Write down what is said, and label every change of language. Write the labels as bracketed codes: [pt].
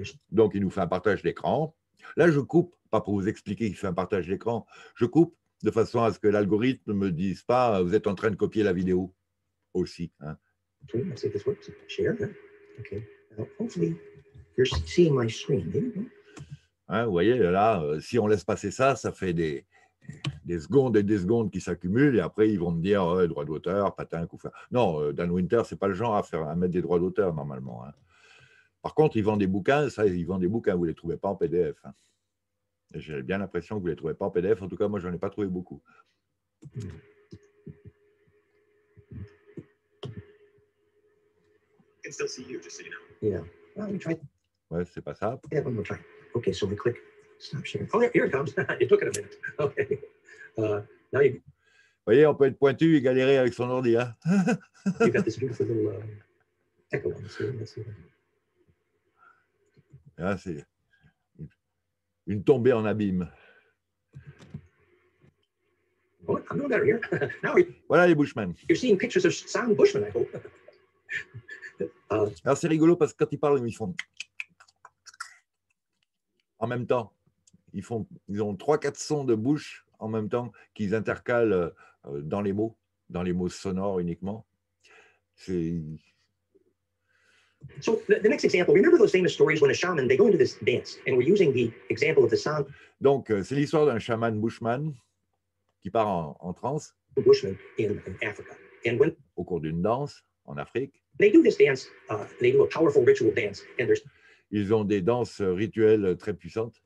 [fr] Donc, il nous fait un partage d'écran. Là, je coupe, pas pour vous expliquer qu'il fait un partage d'écran, je coupe de façon à ce que l'algorithme ne me dise pas « vous êtes en train de copier la vidéo » aussi. Hein. [en] Okay, let's see if this works. Share. Okay. Hopefully, you're seeing my screen. There you go. [fr] Hein, vous voyez, là, si on laisse passer ça, ça fait des secondes et des secondes qui s'accumulent, et après, ils vont me dire « droit d'auteur, patin, coup fin. » Non, Dan Winter, ce n'est pas le genre à mettre des droits d'auteur, normalement. Hein. Par contre, ils vendent des bouquins, ça, ils vendent des bouquins, vous ne les trouvez pas en PDF. Hein. J'ai bien l'impression que vous ne les trouvez pas en PDF. En tout cas, moi, je n'en ai pas trouvé beaucoup. [en] I can still see you, just so you know. Yeah. Well, we tried. [fr] Ouais, c'est pas ça. [en] Yeah, one more try. Okay, so we click stop sharing. Oh, yeah, here it comes. It took it a minute. Okay. Now you... [fr] Vous voyez, on peut être pointu et galérer avec son ordi, hein. [en] You've got this beautiful little echo on the screen. Let's see. [fr] Ah, c'est... Une tombée en abîme. [en] Oh, I'm no better here. Now [fr] voilà les Bushmen. [en] You're seeing pictures of Sam Bushman, I hope. [fr] Alors c'est rigolo parce que quand ils parlent, ils font... En même temps, ils ont 3-4 sons de bouche en même temps qu'ils intercalent dans les mots sonores uniquement. C'est... [en] So the next example, remember those famous stories when a shaman, they go into this dance, and we're using the example of the sound. [fr] Donc, c'est l'histoire d'un chaman Bushman qui part en transe. [en] Bushman in Africa. And when, [fr] au cours d'une danse en Afrique. [en] They do this dance, they do a powerful ritual dance, and there's... [fr] Ils ont des danses rituelles très puissantes.